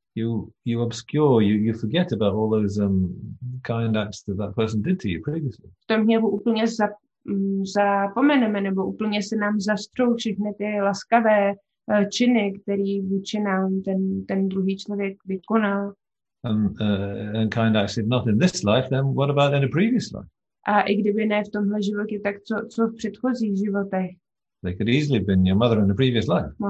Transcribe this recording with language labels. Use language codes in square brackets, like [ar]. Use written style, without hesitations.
[en] you obscure, you forget about all those kind acts that person did to you previously. [cs] V tom hněvu úplně zapomeneme, nebo úplně se nám zastrou všechny ty laskavé činy, které vůči nám ten druhý člověk vykonal. [en] And kind acts, if not in this life, then what about in a previous life? [cs] A i kdyby ne v tomhle životě, tak co v předchozích životech? [en] They could easily have been your mother in a previous life.